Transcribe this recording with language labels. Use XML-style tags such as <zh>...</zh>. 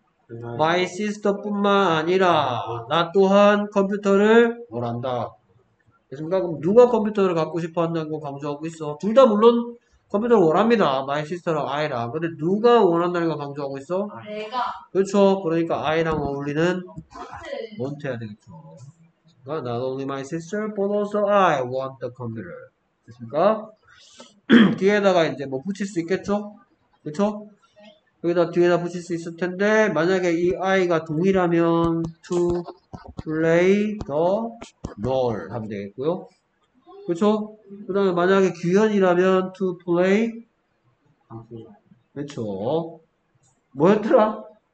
<ko>My sister뿐만 아니라 나 또한 컴퓨터를 원한다. 됐습니까? 그럼 누가 컴퓨터를 갖고 싶어 한다는 걸 강조하고 있어? 둘 다 물론 컴퓨터를 원합니다. My sister랑 I랑. 근데 누가 원한다는 걸 강조하고 있어? 내가. 그렇죠. 그러니까 I랑 어울리는 want 해야 되겠죠. 그러니까</ko> <en>not only my sister but also I want the computer.</en> <ko>됐습니까? 뒤에다가 이제 뭐 붙일 수 있겠죠? 그쵸? 네. 여기다 뒤에다 붙일 수 있을 텐데, 만약에 이 아이가 동일하면,</ko> <en>to play the doll</en> <ko>하면 되겠고요. 그쵸? 그 다음에 만약에 규현이라면, to play. 그쵸. 뭐였더라?</ko>